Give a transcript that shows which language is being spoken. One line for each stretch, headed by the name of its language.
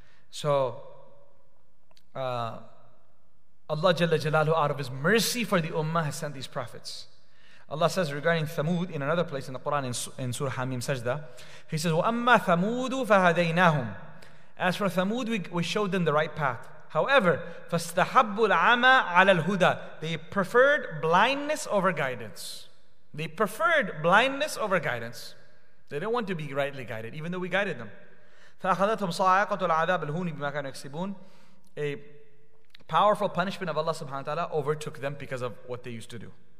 English: So Allah jalla jalalu, out of his mercy for the ummah, has sent these prophets. Allah says regarding Thamud in another place in the Quran, in Surah Hamim Sajda, he says,
Arabic: وَأَمَّا ثَمُودُ فَهَدَيْنَاهُمْ.
English: As for Thamud, we showed them the right path. However,
Arabic: فَاسْتَحَبُّ الْعَمَى عَلَى الْهُدَى.
English: They preferred blindness over guidance. They preferred blindness over guidance. They didn't want to be rightly guided, even though we guided them.
Arabic: فَأَخَذَتْهُمْ صَاعِقَةُ الْعَذَابِ الْهُونِ بِمَا كَانُوا يَكْسِبُونَ.
English: A powerful punishment of Allah subhanahu wa ta'ala overtook them because of what they used to do.